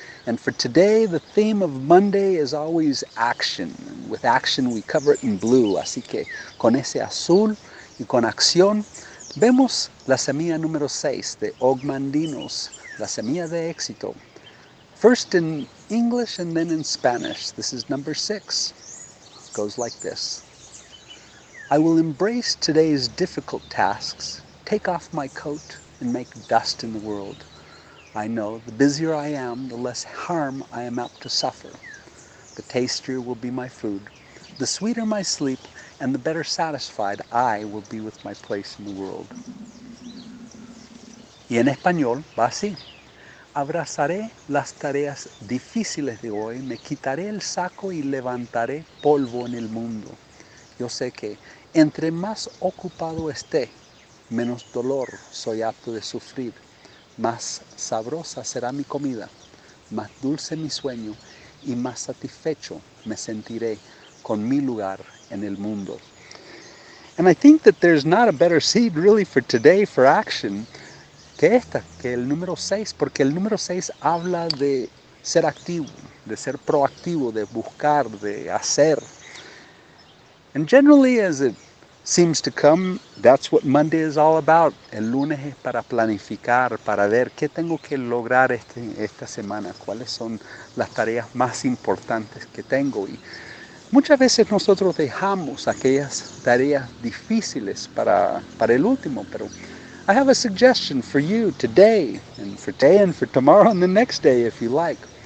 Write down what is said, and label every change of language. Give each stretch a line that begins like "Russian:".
English: And for today, the theme of Monday is always action. With action, we cover it in blue.
Spanish: Así que con ese azul y con acción, vemos la semilla número 6 de Ogmandinos, la semilla de éxito.
English: First in English and then in Spanish. This is number 6. It goes like this. I will embrace today's difficult tasks, take off my coat, and make dust in the world. I know the busier I am, the less harm I am apt to suffer. The tastier will be my food, the sweeter my sleep, and the better satisfied I will be with my place in the world.
Spanish: Y en español va así. Abrazaré las tareas difíciles de hoy, me quitaré el saco y levantaré polvo en el mundo. Yo sé que entre más ocupado esté, menos dolor soy apto de sufrir. Más sabrosa será mi comida, más dulce mi sueño y más satisfecho me sentiré con mi lugar en el mundo.
English: And I think that there's not a better seed really for today for action
Spanish: que esta, que el número 6, porque el número 6 habla de ser activo, de ser proactivo, de buscar, de hacer.
English: And generally, as it seems to come, that's what Monday is all about.
Spanish: El lunes es para planificar, para ver qué tengo que lograr esta semana, cuáles son las tareas más importantes que tengo. Y muchas veces nosotros dejamos aquellas tareas difíciles para el último, pero
English: I have a suggestion for you today and for tomorrow and the next day, if you like.